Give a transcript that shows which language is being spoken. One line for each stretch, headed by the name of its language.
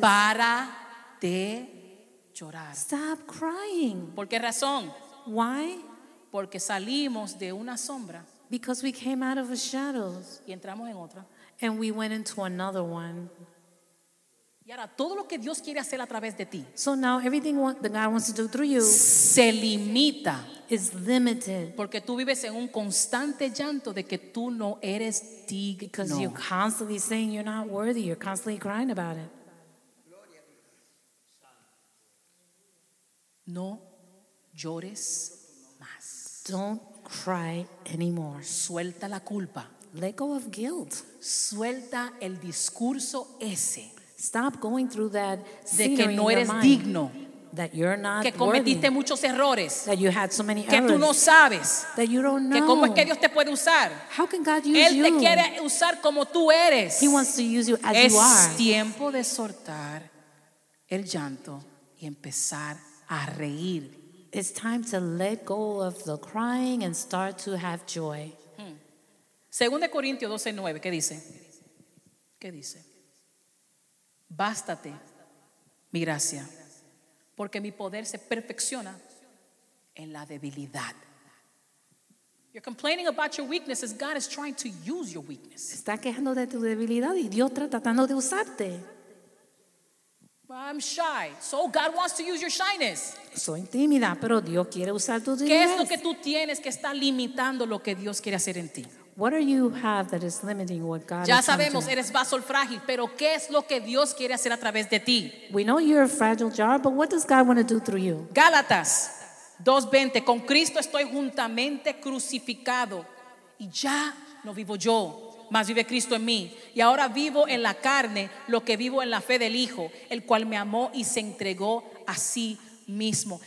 Spanish: Para de llorar.
English: Stop crying.
Spanish: ¿Por qué razón?
English: Why?
Spanish: Porque salimos de una sombra.
English: Because we came out of the shadows.
Spanish: Y entramos en otra.
English: And we went into another one.
Spanish: Y ahora todo lo que Dios quiere hacer a través de ti.
English: So now everything that God wants to do through you.
Spanish: Se limita.
English: Is limited.
Spanish: Porque tú vives en un constante llanto de que tú no eres digno.
English: Because you're constantly saying you're not worthy. You're constantly crying about it.
Spanish: No llores.
English: Don't cry anymore.
Spanish: Suelta la culpa.
English: Let go of guilt.
Spanish: Suelta el discurso ese.
English: Stop going through that
Spanish: de que no eres digno.
English: That you're not worthy.
Spanish: Que cometiste muchos errores.
English: That you had so many errors.
Spanish: Que tú no sabes.
English: That you don't know.
Spanish: Que cómo es que Dios te puede usar.
English: How can God use
Spanish: Él
English: you?
Spanish: Él te quiere usar como tú eres.
English: He wants to use you as
Spanish: es
English: you are.
Spanish: Es tiempo de soltar el llanto y empezar a reír.
English: It's time to let go of the crying and start to have joy.
Spanish: 2 Corintios 12:9, ¿qué dice? ¿Qué dice? Bástate mi gracia, porque mi poder se perfecciona en la debilidad.
English: You're complaining about your weaknesses, God is trying to use your weakness.
Spanish: Está quejando de tu debilidad y Dios está tratando de usarte.
English: I'm shy, so God wants to use your shyness.
Spanish: Soy tímida, pero Dios quiere usar tu timidez. ¿Qué es lo que tú tienes que está limitando lo que Dios quiere hacer en ti?
English: What do you have that is limiting what God?
Spanish: Ya sabemos, eres vaso frágil, pero ¿qué es lo que Dios quiere hacer a través de ti?
English: We know you're a fragile jar, but what does God want to do through you?
Spanish: Gálatas 2:20, con Cristo estoy juntamente crucificado y ya no vivo yo. Mas vive Cristo en mí, y ahora vivo en la carne lo que vivo en la fe del Hijo, el cual me amó y se entregó a sí mismo.